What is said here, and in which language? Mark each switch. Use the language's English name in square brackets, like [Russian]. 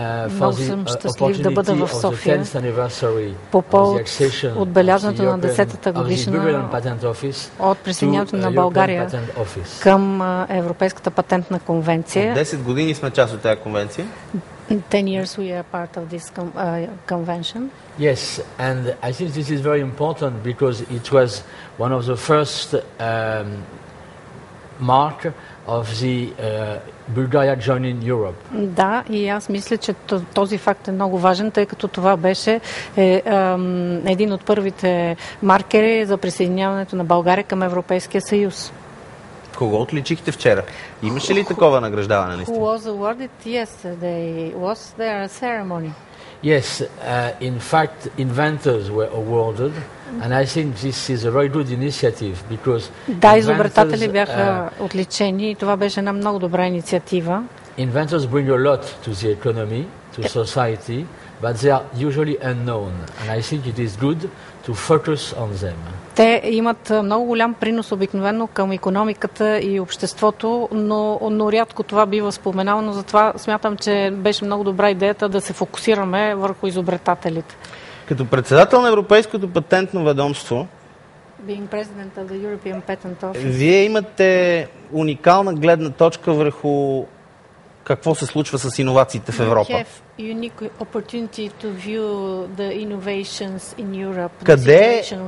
[Bulgarian] Много съм щастлив да бъда в София по повод отбелязването на 10-та годишнина от присъединяването на България към Европейската патентна конвенция. 10 години сме част от тази конвенция. [English] 10 years we are part of this convention. Yes, and I think this is very important because it was one of the first mark of the Bulgaria joining Europe. [Bulgarian] Да, и аз мисля, че този факт е много важен, тъй като това беше един от първите маркери за присъединяването на България към Европейския съюз. Кого отличихте вчера? Имаше ли такова награждаване наистина? [English] Who was awarded yesterday? Was there a ceremony? Yes, in fact, inventors were awarded, and I think this is a very good initiative because [Bulgarian] да, изобретатели бяха отличени и това беше една много добра инициатива. [English] Inventors bring a lot to the economy, to society, but they are usually unknown, and I think it is good to focus on them. [Bulgarian] Те имат много голям принос обикновено към икономиката и обществото, но рядко това бива споменавано. Затова смятам, че беше много добра идеята да се фокусираме върху изобретателите. Като председател на Европейското патентно ведомство, [English] Being president of the European Patent Office, [Bulgarian] вие имате уникална гледна точка върху какво се случва с иновациите в Европа. [English] Unique opportunity to view the innovations in Europe.